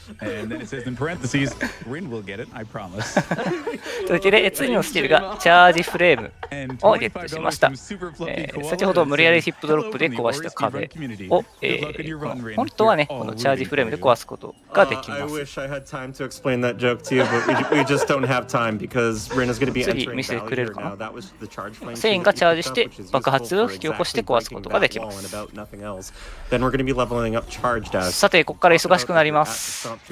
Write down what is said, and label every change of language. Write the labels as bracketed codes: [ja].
[en] And then it says in parentheses, Rin will get it, I promise. [ja] というわけで、次のスキルがチャージフレームをゲットしました。先ほど無理やりヒップドロップで壊した壁を、本当はね、このチャージフレームで壊すことができます。 [en] I wish I had time to explain that joke to you, but we just don't have time because Rin is going to be entering [ja] now. 次、見せてくれるかな。繊維がチャージして爆発を引き起こして壊すことができます。さて、ここから忙しくなります。